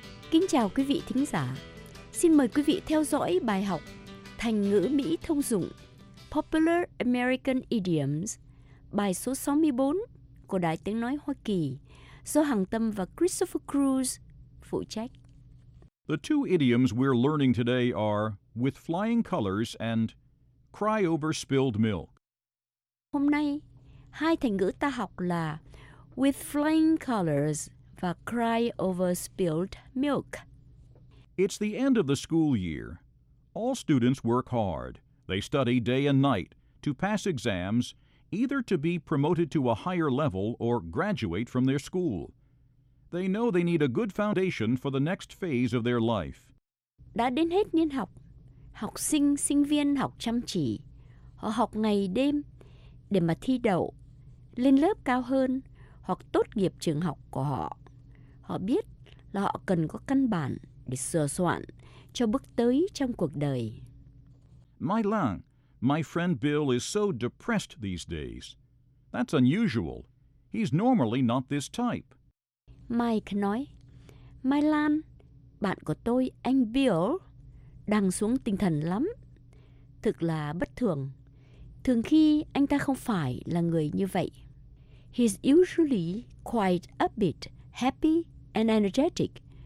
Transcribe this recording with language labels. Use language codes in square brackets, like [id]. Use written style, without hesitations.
[vi] Kính chào quý vị thính giả. Xin mời quý vị theo dõi bài học Thành ngữ Mỹ thông dụng Popular American Idioms, bài số 64 của Đài Tiếng Nói Hoa Kỳ do Hằng Tâm và Christopher Cruz phụ trách. [en] The two idioms we're learning today are with flying colors and cry over spilled milk. [vi] Hôm nay, hai thành ngữ ta học là with flying colors và cry over spilled milk. [en] It's the end of the school year. All students work hard. They study day and night to pass exams, either to be promoted to a higher level or graduate from their school. They know they need a good foundation for the next phase of their life. [vi] Đã đến hết niên học, học sinh, sinh viên học chăm chỉ. Họ học ngày đêm để mà thi đậu, lên lớp cao hơn hoặc tốt nghiệp trường học của họ. Họ biết là họ cần có căn bản để sửa soạn cho bước tới trong cuộc đời. [en] Mai Lang, my friend Bill is so depressed these days. That's unusual. He's normally not this type. [vi] Mike nói, Mai Lan, bạn của tôi, anh Bill, đang xuống tinh thần lắm. Thực là bất thường. Thường khi anh ta không phải là người như vậy. [en] He's usually quite upbeat, happy and energetic.